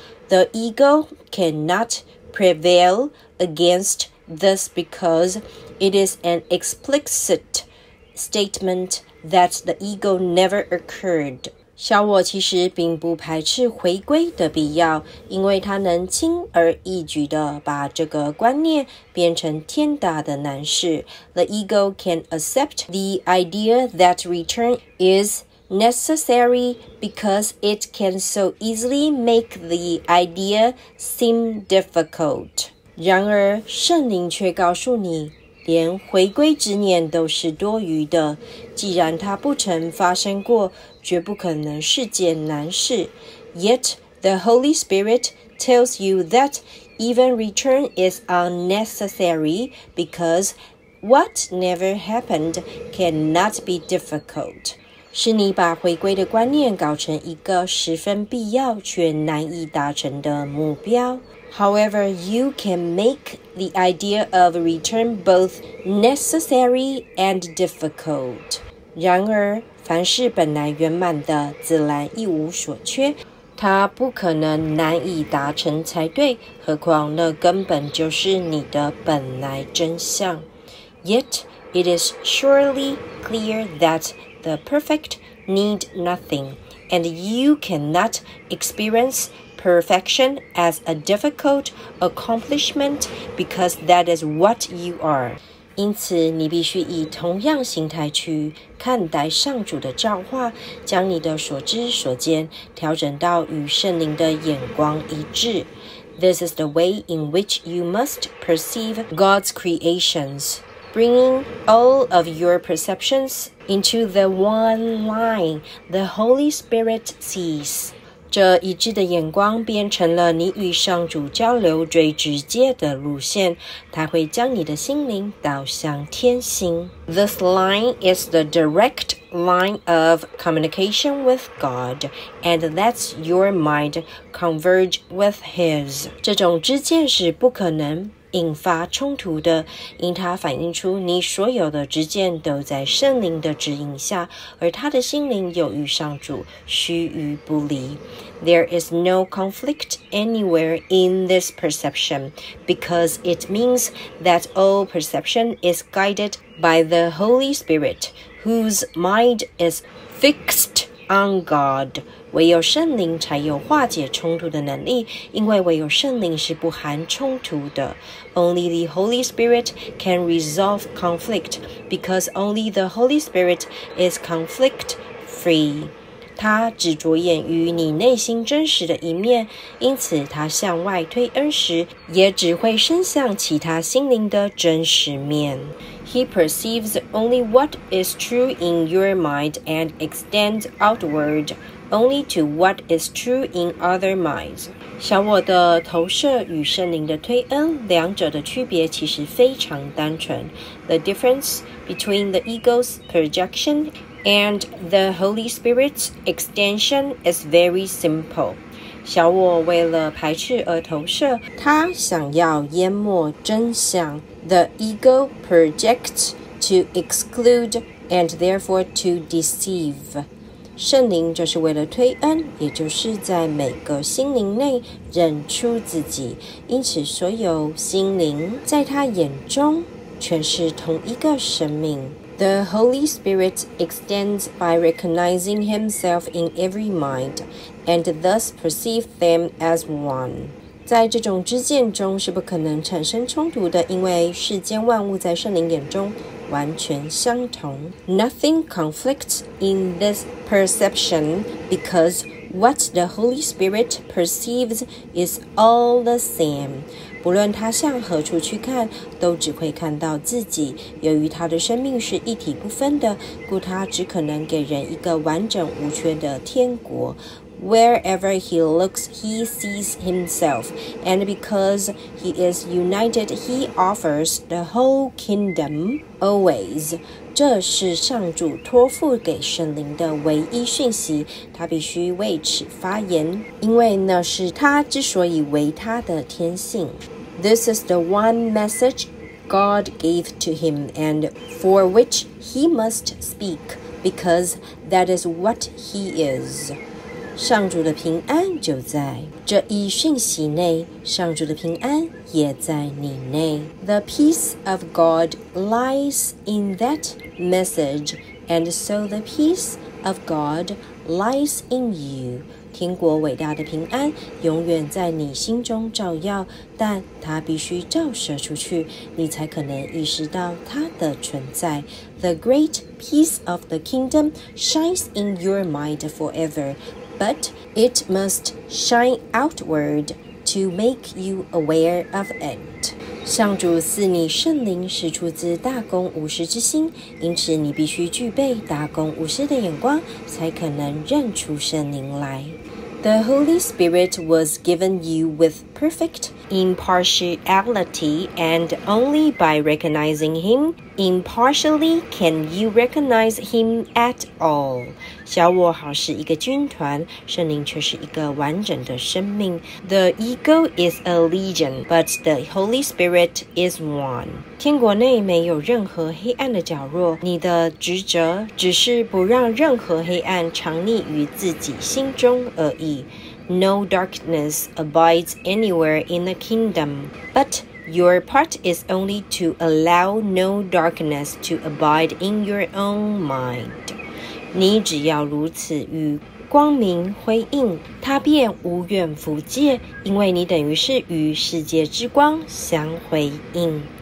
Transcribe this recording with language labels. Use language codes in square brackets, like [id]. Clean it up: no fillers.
[en] The ego cannot prevail against this because it is an explicit statement that the ego never occurred. [zh] 小我其实并不排斥回归的必要，因为他能轻而易举地把这个观念变成天大的难事。 [en] The ego can accept the idea that return is necessary because it can so easily make the idea seem difficult. [zh] 然而，圣灵却告诉你，连回归之念都是多余的，既然它不曾发生过，绝不可能是件难事。 [en] Yet the Holy Spirit tells you that even return is unnecessary because what never happened cannot be difficult. [zh] 是你把回归的观念搞成一个十分必要却难以达成的目标。 [en] However, you can make the idea of return both necessary and difficult. [zh] 然而，凡事本来圆满的，自然一无所缺，它不可能难以达成才对，何况那根本就是你的本来真相。 [en] Yet, it is surely clear that the perfect need nothing, and you cannot experience perfection as a difficult accomplishment because that is what you are. [zh] 因此你必须以同样心态去看待上主的召化，将你的所知所见调整到与圣灵的眼光一致。 [en] This is the way in which you must perceive God's creations, bringing all of your perceptions into the one line the Holy Spirit sees. [zh] 这一致的眼光变成了你与上主交流最直接的路线，它会将你的心灵导向天心。 [en] This line is the direct line of communication with God, and lets your mind converge with His. [zh] 这种直接是不可能引发冲突的，因它反映出你所有的知见都在圣灵的指引下，而他的心灵又与上主须臾不离。 [en] There is no conflict anywhere in this perception, because it means that all perception is guided by the Holy Spirit, whose mind is fixed on God. [zh] 唯有圣灵才有化解冲突的能力，因为唯有圣灵是不含冲突的。 [en] Only the Holy Spirit can resolve conflict, because only the Holy Spirit is conflict free. [zh] 它只着眼于你内心真实的一面，因此它向外推恩时，也只会伸向其他心灵的真实面。 [en] He perceives only what is true in your mind and extends outward only to what is true in other minds. [zh] 小我的投射与圣灵的推恩，两者的区别其实非常单纯。 [en] The difference between the ego's projection and the Holy Spirit's extension is very simple. [zh] 小我为了排斥而投射，他想要淹没真相。 [en] The ego projects to exclude and therefore to deceive. [zh] 圣灵就是为了推恩，也就是在每个心灵内认出自己，因此所有心灵在他眼中全是同一个生命。 [en] The Holy Spirit extends by recognizing himself in every mind and thus perceive them as one. [zh] 在这种之见中是不可能产生冲突的，因为世间万物在圣灵眼中完全相同。 [en] Nothing conflicts in this perception because what the Holy Spirit perceives is all the same. [zh] 不论他向何处去看，都只会看到自己。由于他的生命是一体不分的，故他只可能给人一个完整无缺的天国。 [en] Wherever he looks, he sees himself, and because he is united, he offers the whole kingdom always. [zh] 这是上主托付给圣灵的唯一讯息，他必须为此发言，因为那是他之所以为他的天性。 [en] This is the one message God gave to him, and for which he must speak, because that is what he is. [zh] 上主的平安就在这一讯息内，上主的平安也在你内。 [en] The peace of God lies in that message, and so the peace of God lies in you. [zh] 天国伟大的平安永远在你心中照耀，但它必须照射出去，你才可能意识到它的存在。 [en] The great peace of the kingdom shines in your mind foreverBut it must shine outward to make you aware of it. [zh] 上主赐你圣灵是出自大公无私之心，因此你必须具备大公无私的眼光，才可能认出圣灵来。 [en] The Holy Spirit was given you with perfect impartiality, and only by recognizing Him impartially can you recognize Him at all. [zh] 小我好是一个军团，圣灵却是一个完整的生命。 [en] The ego is a legion, but the Holy Spirit is one. [zh] 天国内没有任何黑暗的角落，你的职责只是不让任何黑暗藏匿于自己心中而已。 [en] No darkness abides anywhere in the kingdom, but your part is only to allow no darkness to abide in your own mind. [zh] 你只要如此与光明辉映，它便无怨弗界，因为你等于是与世界之光相辉映。